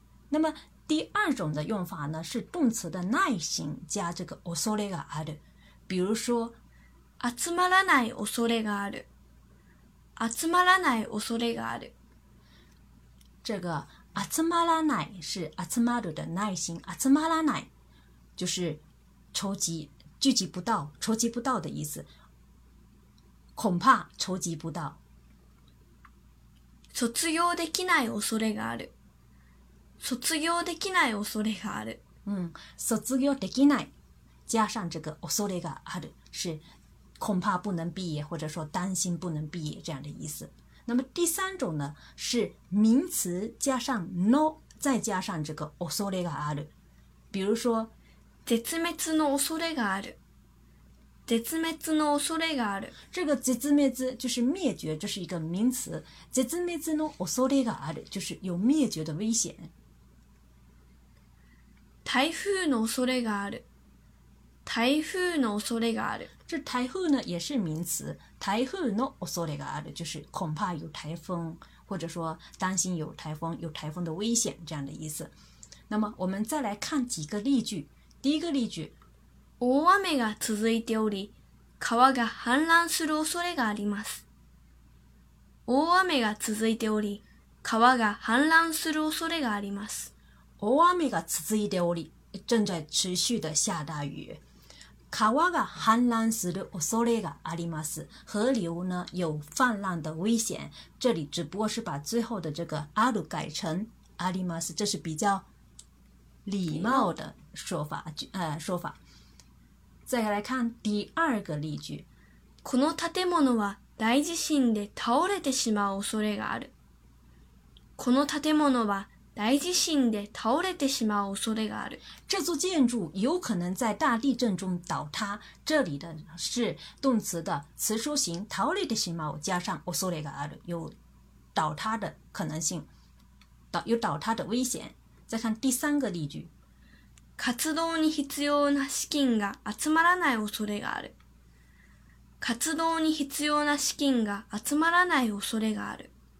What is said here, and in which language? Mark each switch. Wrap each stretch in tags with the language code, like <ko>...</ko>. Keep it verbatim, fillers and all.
<zh>那么第二种的用法呢，是动词的ない形加这个恐れがある，比如说</zh> <ja>集まらない恐れがある。集まらない恐れがある。</ja> <zh>这个集まらない是集まる的耐心，集まらない就是筹集聚集不到，筹集不到的意思，恐怕筹集不到。</zh> <ja>卒業できない恐れがある。卒業できない恐れがある。</ja> <zh>嗯，</zh> <ja>卒業できない</ja> <zh>加上这个恐れがある是恐怕不能毕业，或者说担心不能毕业这样的意思。那么第三种呢是名词加上 no 再加上这个恐れがある，比如说</zh> <ja>絶滅の恐れがある。絶滅の恐れがある。</ja> <zh>这个絶滅就是灭绝，这是一个名词。</zh> <ja>絶滅の恐れがある</ja> <zh>就是有灭绝的危险。</zh> <ja>台風の恐れがある。台風の恐れがある。</ja> <zh>这台風呢也是名词。</zh> <ja>台風の恐れがある</ja> <zh>就是恐怕有台风，或者说担心有台风，有台风的危险这样的意思。那么我们再来看几个例句。第一个例句，</zh> <ja>大雨が続いており、川が氾濫する恐れがあります。大雨が続いており、川が氾濫する恐れがあります。大雨が続いており，</ja> <zh>正在持续的下大雨。</zh> <ja>川が氾濫する恐れがあります。</ja> <zh>河流呢有泛滥的危险。这里只不过是把最后的这个ある改成あります，这是比较礼貌的说法，呃，说法。再来看第二个例句。</zh> <ja>この建物は大地震で倒れてしまう恐れがある。この建物は大地震で倒れてしまう恐れがある。</ja> <zh>这座建筑有可能在大地震中倒塌。这里的是动词的词书形</zh> <ja>倒れてしまう</ja> <zh>加上恐れがある，有倒塌的可能性，有倒塌的危险。再看第三个例句，</zh> <ja>活動に必要な資金が集まらない恐れがある。活動に必要な資金が集まらない恐れがある。</ja>